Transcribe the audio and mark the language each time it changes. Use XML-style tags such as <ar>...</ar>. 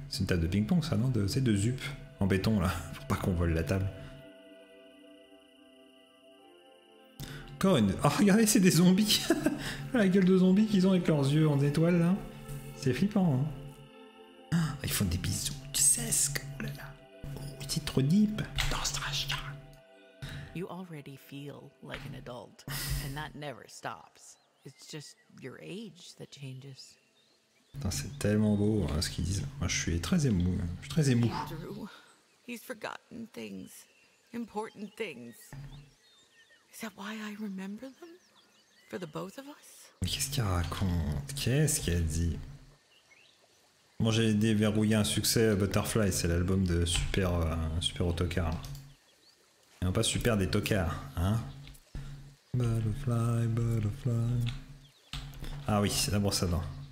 <fr>C'est une table de ping-pong, ça, non de, c'est de zup en béton, là. Faut pas qu'on vole la table. Encore une... Oh, regardez, c'est des zombies. La gueule de zombies qu'ils ont avec leurs yeux en étoile, là. C'est flippant, hein. Ils font des bisous, tu sais ce que... Oh là là. Oh, c'est trop deep. Dans ce trash-là.</fr> <en>You already feel like an adult. And that never stops. It's just your age that changes.</en> <fr>Putain, c'est tellement beau hein, ce qu'ils disent. Moi, je suis très ému. Je suis très ému.</fr> <en>Andrew, he's forgotten things. Important things. Is that why I remember them? For the both of us?</en> <fr>Mais qu'est-ce qu'il raconte? Qu'est-ce qu'il dit? Bon, j'ai déverrouillé un succès Butterfly, c'est l'album de Super Autocar. Et non pas Super des Tocards, hein. Butterfly, Butterfly. Ah oui, c'est la brosse à dents.</fr>